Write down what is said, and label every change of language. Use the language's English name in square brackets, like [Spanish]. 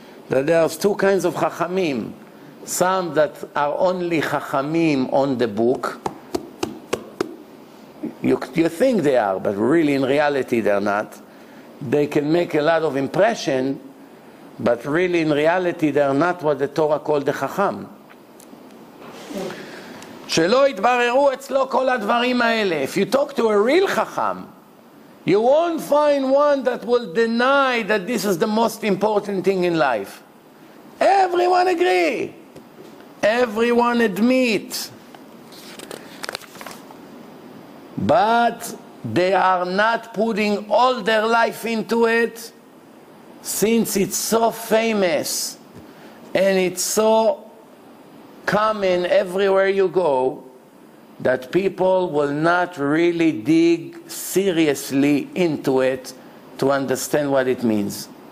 [English] That there are two kinds of chachamim. Some that are only chachamim on the book. You think they are, but really in reality they're not. they can make a lot of impression, but really in reality they are not what the Torah called the Chacham. [Hebrew] שלא יתבררו אצלו כל הדברים האלה. [English] If you talk to a real Chacham, you won't find one that will deny that this is the most important thing in life. Everyone agree. Everyone admit. But they are not putting all their life into it, since it's so famous and it's so common everywhere you go, that people will not really dig seriously into it to understand what it means.